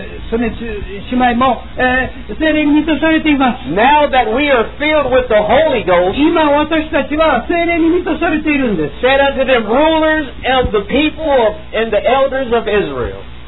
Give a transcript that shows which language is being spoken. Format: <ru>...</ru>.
<ja>その姉妹も、聖霊に満たされています。</ja> <en>Now that we are filled with the Holy Ghost,</en> <ja>今私たちは聖霊に満たされているんです。</ja> <en>Said unto them, rulers of the people and the elders of Israel.</en>